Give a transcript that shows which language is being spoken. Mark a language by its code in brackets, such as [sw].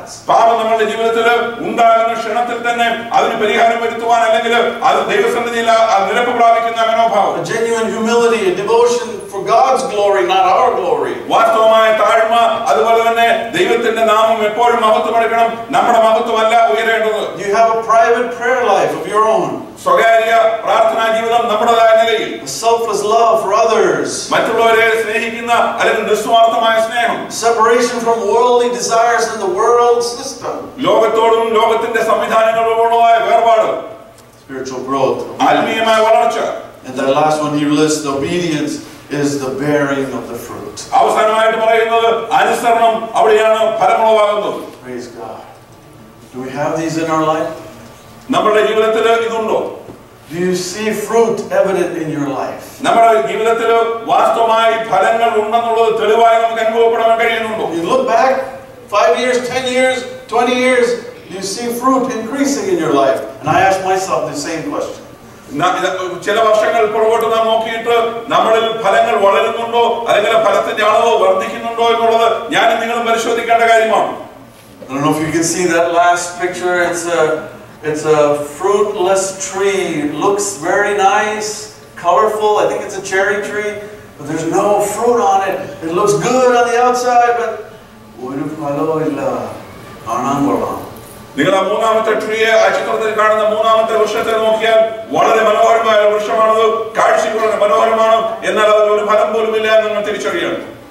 [ml] പാപം നമ്മുടെ ജീവിതത്തിൽ ഉണ്ടാകുന്ന ക്ഷണത്തിൽ തന്നെ അതിന് പരിഹാരം വരുത്തുവാൻ അല്ലെങ്കിൽ അത് ദൈവസന്നിധിയിൽ നിരപ്പ് പ്രാപിക്കുന്ന മനോഭാവം. [en] Genuine humility, a devotion for God's glory, not our glory. [ml] വാസ്തവമായ താഴ്മ, അതുപോലെ തന്നെ ദൈവത്തിന്റെ നാമം എപ്പോഴും മഹത്വമെടുക്കണം, നമ്മുടെ മഹത്വമല്ല ഉയരേണ്ടത്. [en] You have a private prayer life of your own. [ml] സ്വകാര്യ പ്രാർത്ഥനാ ജീവിതം നമ്മുടേതായ നിലയിൽ. [en] Selfless love for others. [ml] മറ്റുള്ളവരെ സ്നേഹിക്കുന്ന അല്ലെങ്കിൽ നിസ്വാർത്ഥമായ സ്നേഹം. [en] Separation from worldly desires and the world system. [ml] ലോകത്തോടും ലോകത്തിന്റെ സംവിധാനങ്ങളോടുമുള്ള വേർപാട്. [en] Spiritual growth. [ml] ആത്മീയമായ വളർച്ച. [en] And the last one he lists, obedience, is the bearing of the fruit. [ml] അവസാനമായിട്ട് പറയുന്നത് അനുസരണം അവിടെയാണ് ഫലമുളവാകുന്നത്. [en] Praise God. Do we have these in our life? [ml] നമ്മുടെ ജീവിതത്തിൽ ഇതുണ്ടോ? [en] Do you see fruit evident in your life? [ml] നമ്മുടെ ജീവിതത്തിൽ വാസ്തവമായി ഫലങ്ങൾ ഉണ്ടെന്നുള്ളത് തെളിവായി നമുക്ക് അനുഭവപ്പെടാൻ കഴിയുന്നുണ്ടോ? [en] You look back 5 years, 10 years, 20 years, you see fruit increasing in your life. And I ask myself the same question. [ml] ചില വർഷങ്ങൾ പുറകോട്ട് നാം നോക്കിയിട്ട് നമ്മളിൽ ഫലങ്ങൾ വളരുന്നുണ്ടോ അല്ലെങ്കിൽ ഫലത്തിന്റെ അളവ് വർദ്ധിക്കുന്നുണ്ടോ എന്നുള്ളത് ഞാൻ നിങ്ങളും പരിശോധിക്കേണ്ട കാര്യമാണ്. [en] I don't know if you can see that last picture. It's a fruitless tree. It looks very nice, colorful. I think it's a cherry tree, but there's no fruit on it. It looks good on the outside, but [ml] ഒരു ഫലവും ഇല്ല. കാണാൻ കൊള്ളാം. നിങ്ങൾ ആ മൂന്നാമത്തെ ട്രീയെ, ആ ചിത്രത്തിൽ കാണുന്ന മൂന്നാമത്തെ വൃക്ഷത്തെ നോക്കിയാൽ വളരെ മനോഹരമായ ഒരു വൃക്ഷമാണത്, കാഴ്ചയ്ക്ക് വളരെ മനോഹരമാണ്, എന്നാൽ അതിൽ ഒരു ഫലം പോലും ഇല്ല എന്ന് നിങ്ങൾ തിരിച്ചറിയണം.